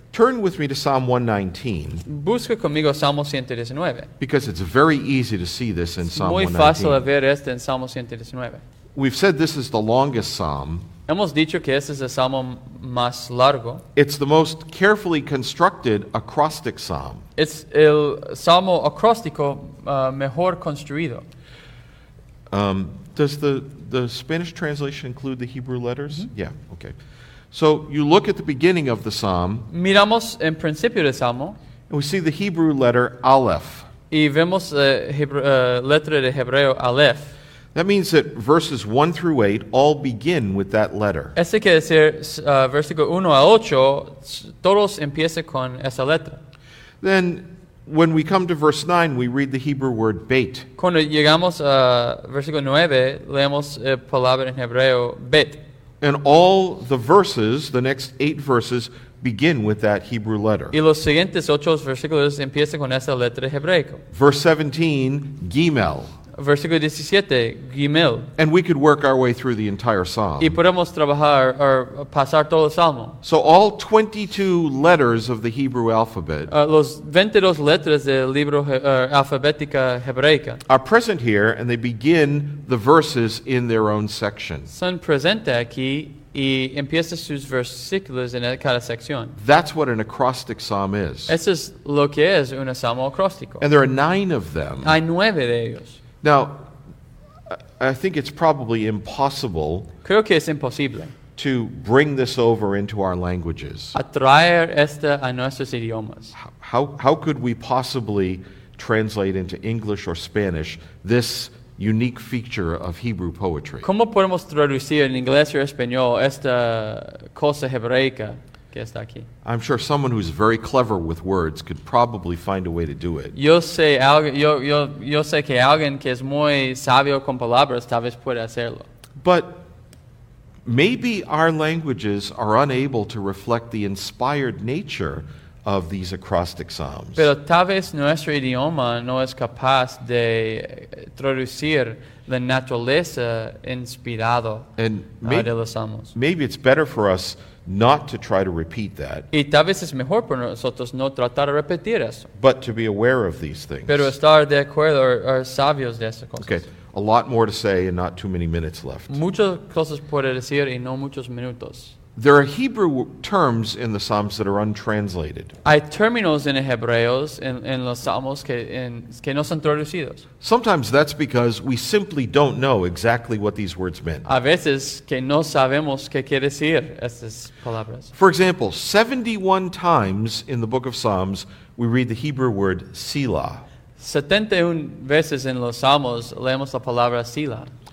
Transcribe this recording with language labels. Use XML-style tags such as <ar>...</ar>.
<en>Turn with me to Psalm 119.</en> <es>Busca conmigo Salmo 119.</es> <en>Because it's very easy to see this in Psalm 119.</en> <es>Muy fácil de ver este en Salmo 119.</es> <en>We've said this is the longest psalm.</en> <es>Hemos dicho que este es el salmo más largo.</es> <en>It's the most carefully constructed acrostic psalm.</en> <es>Es el salmo acróstico mejor construido.</es> <en>Does the Spanish translation include the Hebrew letters? Mm-hmm. Yeah, okay. So you look at the beginning of the psalm.</en> <es>Miramos en principio del salmo.</es> <en>And we see the Hebrew letter Aleph.</en> <es>Y vemos la letra de hebreo Aleph.</es> <en>That means that verses 1 through 8 all begin with that letter.</en> <es>Eso quiere decir, versículo 1 a 8, todos empiezan con esa letra.</es> <en>Then, when we come to verse 9, we read the Hebrew word bet.</en> <es>Cuando llegamos a versículo 9, leemos la palabra en hebreo bet.</es> <en>And all the verses, the next 8 verses, begin with that Hebrew letter.</en> <es>Y los siguientes 8 versículos empiezan con esa letra hebraica.</es> <en>Verse 17, gimel.</en> <es>Versículo 17, Gimel.</es> <en>And we could work our way through the entire psalm.</en> <es>Y podemos trabajar o pasar todo el salmo.</es> <en>So all 22 letters of the Hebrew alphabet.</en> <es>Los 22 letras del libro alfabética hebraica.</es> <en>Are present here, and they begin the verses in their own section.</en> <es>Son presentes aquí y empiezan sus versículos en cada sección.</es> <en>That's what an acrostic psalm is.</en> <es>Eso es lo que es un salmo acróstico.</es> <en>And there are 9 of them.</en> <es>Hay 9 de ellos.</es> <en>Now, I think it's probably impossible.</en> <es>Creo que es imposible</es> <en>to bring this over into our languages.</en> <es>A traer esta a nuestros idiomas.</es> <en>How could we possibly translate into English or Spanish this unique feature of Hebrew poetry?</en> <es>¿Cómo podemos traducir en inglés o español esta cosa hebraica?</es> <en>I'm sure someone who's very clever with words could probably find a way to do it.</en> <es>Yo sé que alguien que es muy sabio con palabras tal vez puede hacerlo.</es> <en>But Maybe our languages are unable to reflect the inspired nature of these acrostic psalms.</en> <es>Pero tal vez nuestro idioma no es capaz de traducir la naturaleza inspirado de los salmos.</es> <en>Maybe it's better for us not to try to repeat that.</en> <es>Y tal vez es mejor para nosotros no tratar de repetir eso.</es> <en>But to be aware of these things.</en> <es>Pero estar de acuerdo o sabios de esas cosas.</es> <en>Okay. A lot more to say and not too many minutes left.</en> <es>Muchas cosas puede decir y no muchos minutos.</es> <en>There are Hebrew terms in the Psalms that are untranslated.</en> <es>Hay términos en hebreos en los salmos que no son traducidos.</es> <en>Sometimes that's because we simply don't know exactly what these words meant.</en> <es>A veces que no sabemos qué quiere decir estas palabras.</es> <en>For example, 71 times in the book of Psalms we read the Hebrew word Selah.</en> <es>71 veces en los salmos leemos la palabra Selah.</es>